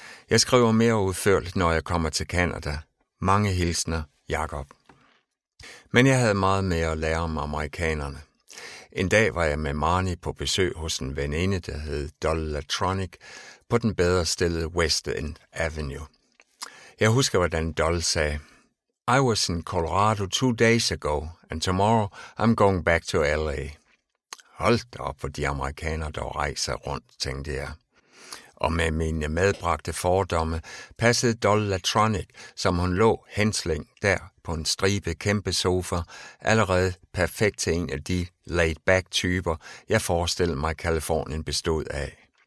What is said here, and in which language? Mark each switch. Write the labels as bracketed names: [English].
[Danish] Jeg skriver mere udførligt, når jeg kommer til Canada. Mange hilsner, Jacob. Men jeg havde meget mere at lære om amerikanerne. En dag var jeg med Marnie på besøg hos en veninde, der hed Dollatronic, på den bedre stillede West End Avenue. Jeg husker, hvordan Doll sagde, [English] I was in Colorado 2 days ago, and tomorrow I'm going back to L.A. [Danish] Hold da op, hvor de amerikanere dog rejser rundt, tænkte jeg. Og med mine medbragte fordomme passede Dollatronic, som hun lå hensling der på en stribe kæmpe sofa, allerede perfekt til en af de laid-back-typer, jeg forestillede mig, Californien bestod af.